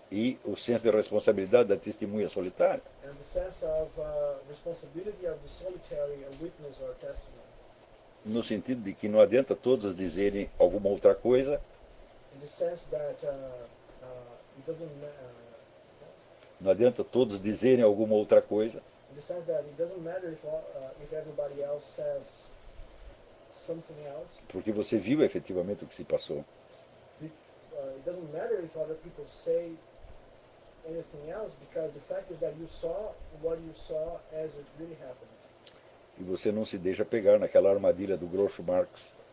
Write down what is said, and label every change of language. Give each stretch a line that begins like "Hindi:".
Portuguese: E o senso de responsabilidade da testemunha solitária.
English: And the sense of responsibility of the solitary witness or testimony.
Portuguese: No sentido de que não adianta todos dizerem alguma outra coisa.
English: In the sense that it doesn't matter.
Portuguese: Não adianta todos dizerem alguma outra coisa.
English: In the sense that it doesn't matter if everybody else says something else.
Portuguese: Porque você viu efetivamente o que se passou.
English: It doesn't matter if other people say anything else, because the fact is that you saw what you saw as it really happened.
Portuguese: E você não se deixa pegar naquela armadilha do Groucho Marx.